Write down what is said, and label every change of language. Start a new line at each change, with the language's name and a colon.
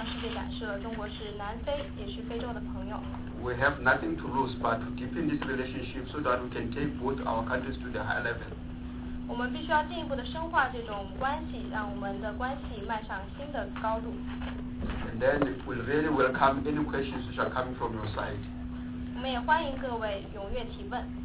Chinese: 通过这一系列的举动，中国向世界展示了中国是南非也是非洲的朋友。
English: We have nothing to lose but to deepen this relationship so that we can take both our countries to the high level.
Chinese: 我们必须要进一步的深化这种关系，让我们的关系迈上新的高度。
English: And then we'll really welcome any questions which are coming from your side.
Chinese: 我们也欢迎各位踊跃提问。